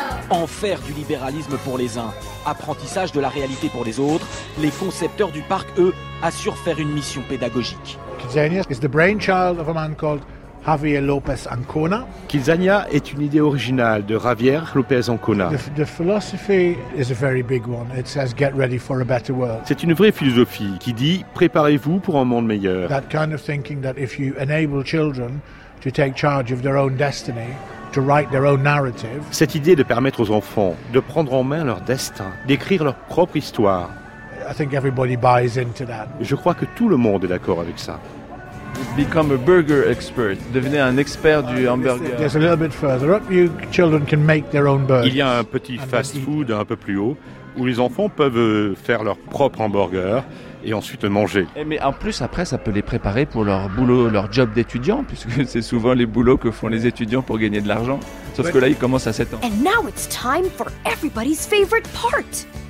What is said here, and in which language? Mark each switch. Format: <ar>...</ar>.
<fr>Enfer du libéralisme pour les uns, apprentissage de la réalité pour les autres, les concepteurs du parc, eux, assurent faire une mission pédagogique.</fr> <en>Kidzania is the brainchild of a man called Javier Lopez Ancona.</en> <fr>Kidzania est une idée originale de Javier Lopez Ancona.</fr> <en>The philosophy is a very big one. It says get ready for a better world.</en> <fr>C'est une vraie philosophie qui dit préparez-vous pour un monde meilleur.</fr> <en>That kind of thinking that if you enable children to take charge of their own destiny, to write their own narrative.</en> <fr>Cette idée de permettre aux enfants de prendre en main leur destin, d'écrire leur propre histoire.</fr> <en>I think everybody buys into that.</en> <fr>Je crois que tout le monde est d'accord avec ça.</fr> <en>Become a burger expert.</en> <fr>Devenez un expert du hamburger.</fr> <en>There's a little bit further up. You children can make their own burgers.</en> <fr>Il y a un petit fast-food un peu plus haut où les enfants peuvent faire leur propre hamburger et ensuite manger. Et mais en plus, après, ça peut les préparer pour leur boulot, leur job d'étudiant, puisque c'est souvent les boulots que font les étudiants pour gagner de l'argent. Sauf que là, ils commencent à 7 ans.</fr> <en>And now it's time for everybody's favorite part.</en>